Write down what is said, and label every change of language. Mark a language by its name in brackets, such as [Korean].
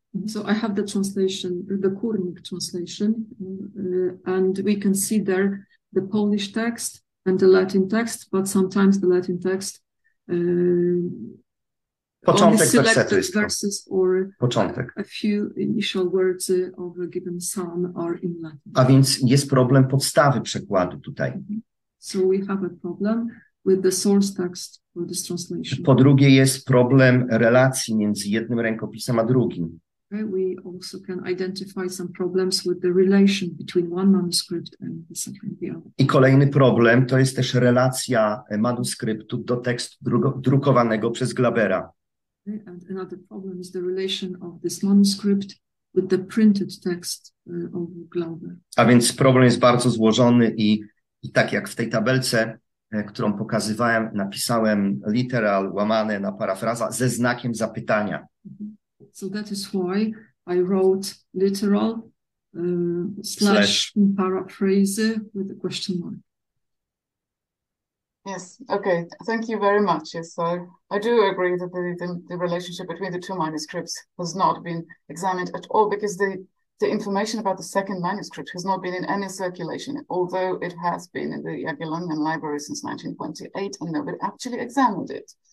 [English] So I have the translation, the Kurnik translation, and we can see there the Polish text and the Latin text, but sometimes the Latin text [Polish] Początek wersetu jest początek. [English] A few initial words of a given psalm are in Latin. [Polish] A więc jest problem podstawy przekładu tutaj. [English] So we have a problem with the source text for this translation. [Polish] Po drugie jest problem relacji między jednym rękopisem a drugim. [English] Okay, we also can identify some problems with the relation between one manuscript and the second and the other. [Polish] I kolejny problem to jest też relacja manuskryptu do tekstu drukowanego przez Glabera. [English] And another problem is the relation of this manuscript with the printed text of Glauber. [Polish] A więc problem jest bardzo złożony i tak jak w tej tabelce, którą pokazywałem, napisałem literal łamane na parafraza ze znakiem zapytania. [English] So that is why I wrote literal slash paraphrase with a question mark. Yes, okay. Thank you very much. Yes, I do agree that the relationship between the two manuscripts has not been examined at all, because the information about the second manuscript has not been in any circulation, although it has been in the Jagiellonian Library since 1928 and nobody actually examined it.